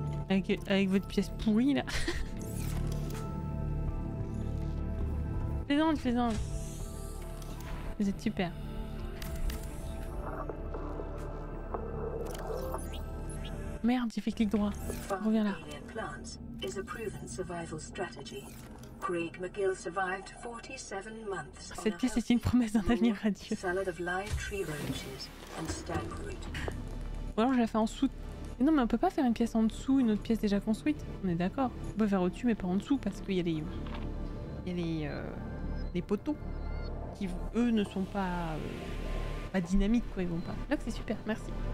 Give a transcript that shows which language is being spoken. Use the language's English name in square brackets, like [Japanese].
[French] Avec votre pièce pourrie là. Plaisante. Vous êtes super. Merde, j'ai fait clic droit. Reviens là. [English] Is a proven survival strategy. Craig McGill survived 47 months. [French] Cette pièce est une promesse d'un avenir radieux. [English] Salad of live tree roaches and stag root. [French] Ou alors je la fais en dessous. Mais non, mais on peut pas faire une pièce en dessous, une autre pièce déjà construite. On est d'accord. On peut faire au-dessus, mais pas en dessous, parce qu'il y a les. Les poteaux. Qui, eux, ne sont pas. Pas dynamiques, quoi. Ils vont pas. Là, c'est super, merci.